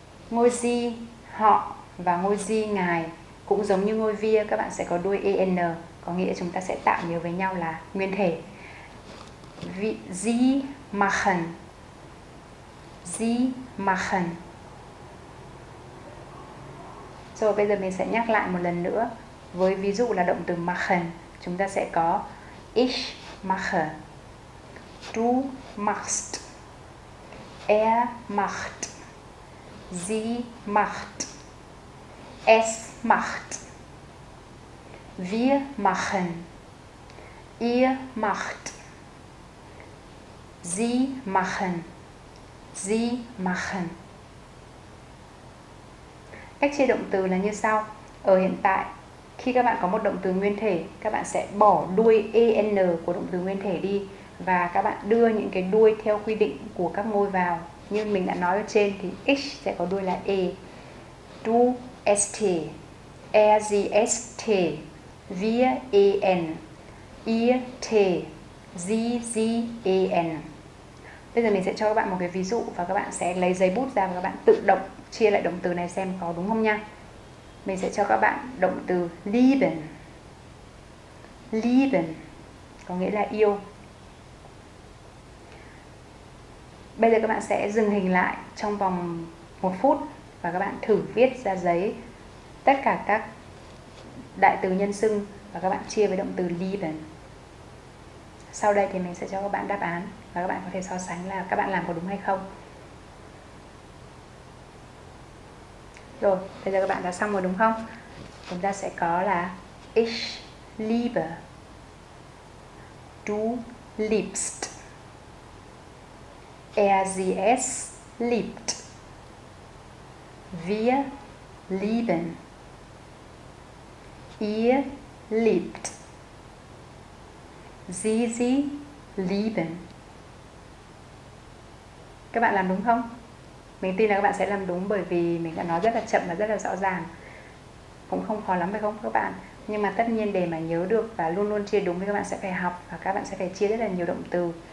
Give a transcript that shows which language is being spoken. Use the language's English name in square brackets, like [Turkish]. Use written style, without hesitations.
[Vietnamese] Ngôi sie họ và ngôi sie ngài cũng giống như ngôi wir, các bạn sẽ có đuôi en, có nghĩa chúng ta sẽ tạm nhớ với nhau là nguyên thể. [German] Sie machen sie machen. [Vietnamese] Rồi bây giờ mình sẽ nhắc lại một lần nữa. Với ví dụ là động từ machen, chúng ta sẽ có [German] ich mache, du machst, er macht, sie macht, es macht, wir machen, ihr macht, sie machen, sie machen. [Vietnamese] Cách chia động từ là như sau. Ở hiện tại, khi các bạn có một động từ nguyên thể, các bạn sẽ bỏ đuôi en của động từ nguyên thể đi và các bạn đưa những cái đuôi theo quy định của các ngôi vào. Như mình đã nói ở trên thì ich sẽ có đuôi là e. [German] Du est, er sie est, wir en, ihr t, sie sie en. [Vietnamese] Bây giờ mình sẽ cho các bạn một cái ví dụ và các bạn sẽ lấy giấy bút ra và các bạn tự động chia lại động từ này xem có đúng không nha. Mình sẽ cho các bạn động từ lieben. Lieben có nghĩa là yêu. Bây giờ các bạn sẽ dừng hình lại trong vòng 1 phút và các bạn thử viết ra giấy tất cả các đại từ nhân xưng và các bạn chia với động từ lieben. Sau đây thì mình sẽ cho các bạn đáp án và các bạn có thể so sánh là các bạn làm có đúng hay không. Rồi, bây giờ các bạn đã xong rồi đúng không? Chúng ta sẽ có là [German] ich liebe, du liebst, er sie es liebt, wir lieben, ihr liebt, sie sie lieben. [Vietnamese] Các bạn làm đúng không? Mình tin là các bạn sẽ làm đúng bởi vì mình đã nói rất là chậm và rất là rõ ràng. Cũng không khó lắm phải không các bạn? Nhưng mà tất nhiên để mà nhớ được và luôn luôn chia đúng thì các bạn sẽ phải học và các bạn sẽ phải chia rất là nhiều động từ.